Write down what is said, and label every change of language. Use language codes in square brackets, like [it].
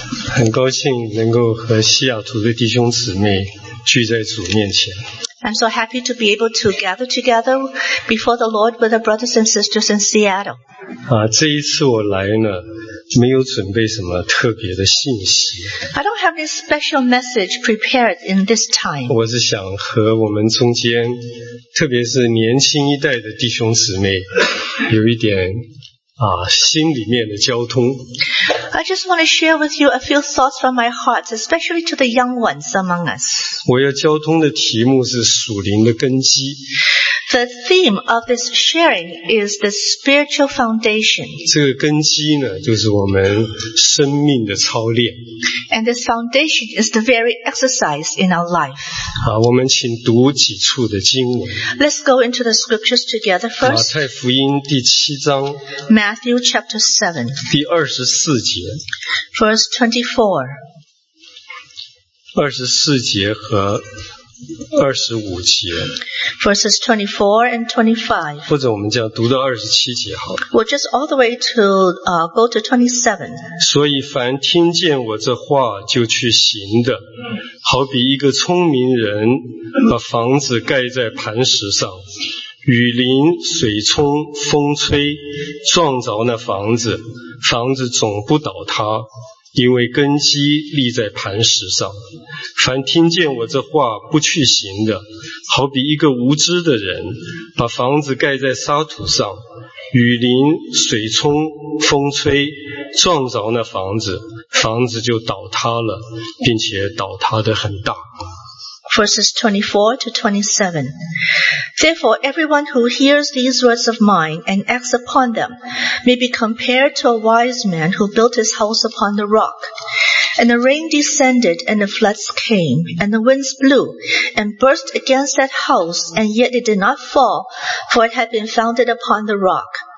[zh] 很高兴能够和西雅图的弟兄姊妹聚在主面前。 [en] I'm so happy to be able to gather together before the Lord with the brothers and sisters in Seattle. [zh] 啊，这一次我来呢，没有准备什么特别的信息。 [en] I don't have any special message prepared in this time. [zh] 我是想和我们中间，特别是年轻一代的弟兄姊妹，有一点啊，心里面的交通。 [en] I just want to share with you a few thoughts from my heart, especially to the young ones among us. [zh] 我要交通的题目是属灵的根基。 [en] The theme of this sharing is the spiritual foundation. [zh] 这个根基呢，就是我们生命的操练。 [en] And this foundation is the very exercise in our life. [zh] 好，我们请读几处的经文。 [en] Let's go into the scriptures together first. [zh] 马太福音第七章。 [en] Matthew chapter 7. [zh] 第二十四节。 [en] Verse 24. [zh] 二十四节和二十五节。 [en] Verses 24 and 25. [zh] 或者我们讲读到二十七节好了。 [en] We'll just all the way to, go to 27. [zh] 所以凡听见我这话就去行的，好比一个聪明人把房子盖在磐石上，雨淋、水冲、风吹，撞着那房子，房子总不倒塌，因为根基立在磐石上。凡听见我这话不去行的，好比一个无知的人，把房子盖在沙土上，雨淋、水冲、风吹，撞着那房子，房子就倒塌了，并且倒塌得很大。 [en] Verses 24 to 27. Therefore, everyone who hears these words of mine and acts upon them may be compared to a wise man who built his house upon the rock. And the rain descended, and the floods came, and the winds blew, and burst against that house, and yet it did not fall, for it had been founded upon the rock.